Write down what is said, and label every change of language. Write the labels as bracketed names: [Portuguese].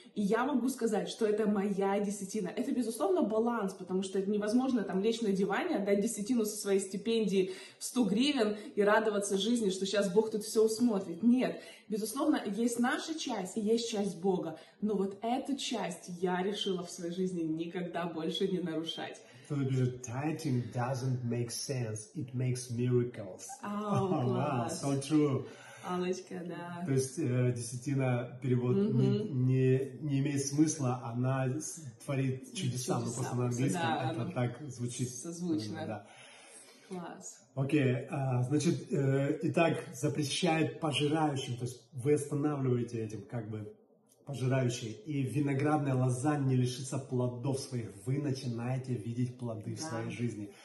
[Russian] И я могу сказать, что это моя десятина. Это, безусловно, баланс, потому что это невозможно там лечь на диване, отдать десятину со своей стипендии в 100 гривен и радоваться жизни, что сейчас Бог тут все усмотрит. Нет. Безусловно, есть наша часть и есть часть Бога. Но эту часть я решила в своей жизни никогда больше не нарушать. Кто-то пишет, [English] tithing doesn't make sense, it makes miracles. Oh, oh, wow, so true. [Russian] Аллочка, да. То есть десятина, перевод не имеет смысла, она творит чудеса, но просто на английском это так звучит. Созвучно. Да. Класс. Окей, значит, итак, запрещает пожирающим, то есть вы останавливаете этим, как бы, пожирающие, и виноградная лоза не лишится плодов своих, вы начинаете видеть плоды в своей жизни.